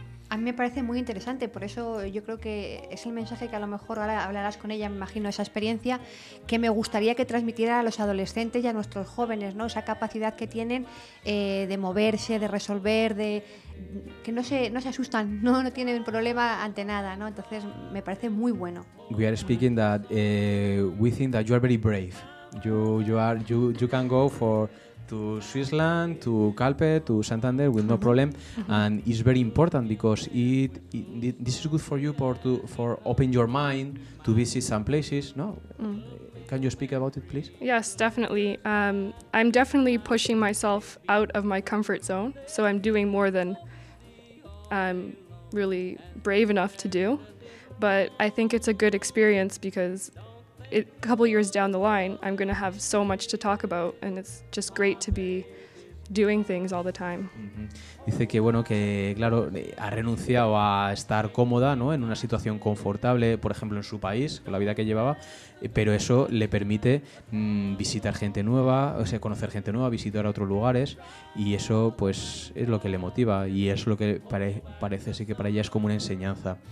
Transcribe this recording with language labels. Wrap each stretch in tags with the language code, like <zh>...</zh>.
<es>A mí me parece muy interesante, por eso yo creo que es el mensaje que a lo mejor ahora hablarás con ella, me imagino, esa experiencia que me gustaría que transmitiera a los adolescentes y a nuestros jóvenes, ¿no? Esa capacidad que tienen de moverse, de resolver, de que no se asustan, no tienen problema ante nada, ¿no? Entonces me parece muy bueno.</es> <en>We are speaking that we think that you are very brave. You can go for to Switzerland, to Calpe, to Santander with no problem, and it's very important because it this is good for you for open your mind to visit some places. No, can you speak about it, please? Yes, definitely. I'm definitely pushing myself out of my comfort zone, so I'm doing more than I'm really brave enough to do. But I think it's a good experience because a couple years down the line, I'm going to have so much to talk about, and it's just great to be doing things all the time.</en> <es>Dice que, bueno, que claro, ha renunciado a estar cómoda, ¿no? En una situación confortable, por ejemplo, en su país, con la vida que llevaba, pero eso le permite visitar gente nueva, o sea, conocer gente nueva, visitar otros lugares, y eso, pues, es lo que le motiva, y es lo que parece sí que para ella es como una enseñanza.</es>